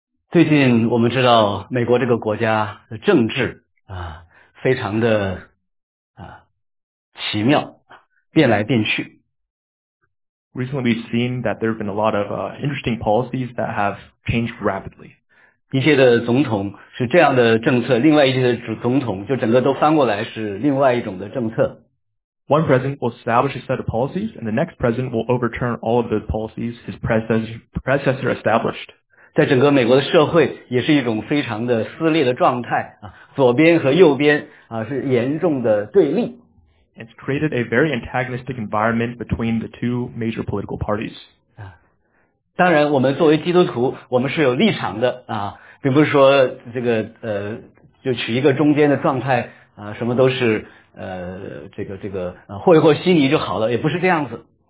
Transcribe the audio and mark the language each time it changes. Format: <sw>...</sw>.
<zh>最近我们知道美国这个国家的政治非常的奇妙，变来变去。</zh> <en>Recently, we've seen that there have been a lot of interesting policies that have changed rapidly.</en> <zh>一些的总统是这样的政策，另外一些的总统就整个都翻过来是另外一种的政策。</zh> <en>One president will establish a set of policies, and the next president will overturn all of those policies his predecessor established.</en> <zh>在整个美国的社会也是一种非常的撕裂的状态啊，左边和右边啊是严重的对立。</zh> <en>It's created a very antagonistic environment between the two major political parties.</en> <zh>当然，我们作为基督徒，我们是有立场的啊，并不是说这个就取一个中间的状态啊，什么都是和和稀泥就好了，也不是这样子。</zh>